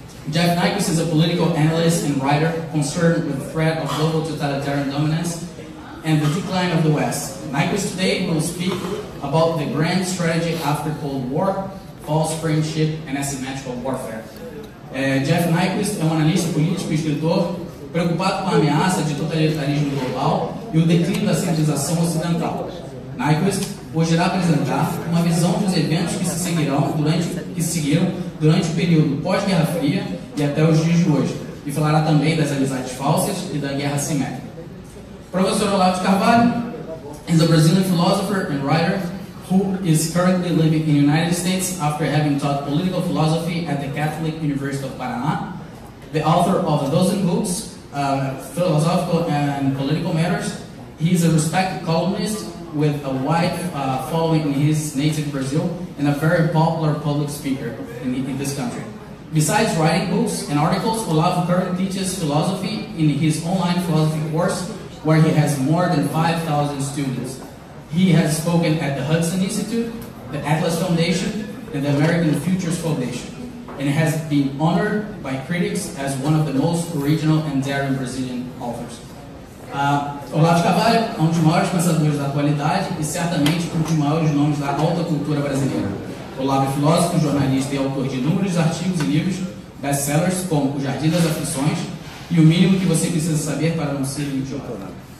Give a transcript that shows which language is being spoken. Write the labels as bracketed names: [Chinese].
[English] Jeff Nyquist is a political analyst and writer concerned with the threat of global totalitarian dominance and the decline of the West. Nyquist today will speak about the grand strategy after Cold War, false friendship, and asymmetrical warfare. [Portuguese] Jeff Nyquist é um analista político e escritor preocupado com a ameaça de totalitarismo global e o declínio da civilização ocidental. Nyquist hoje irá apresentar uma visão dos eventos que se seguirão durante, que seguiram durante o período pós-Guerra Fria e até os dias de hoje, e falará também das amizades falsas e da guerra assimétrica. [English] Professor Olavo de Carvalho is a Brazilian philosopher and writer who is currently living in the United States after having taught political philosophy at the Catholic University of Paraná. The author of a dozen books, Philosophical and Political Matters, he is a respected columnist with a wide following in his native Brazil and a very popular public speaker in this country. Besides writing books and articles, Olavo currently teaches philosophy in his online philosophy course, where he has more than 5,000 students. He has spoken at the Hudson Institute, the Atlas Foundation, and the American Futures Foundation, and has been honored by critics as one of the most original and daring Brazilian authors. [Portuguese] Olavo de Carvalho é um dos maiores pensadores da atualidade e certamente um dos maiores nomes da alta cultura brasileira. Olavo é filósofo, jornalista e autor de inúmeros artigos e livros, best-sellers como O Jardim das Aflições e O Mínimo que Você Precisa Saber para Não Ser Idiota.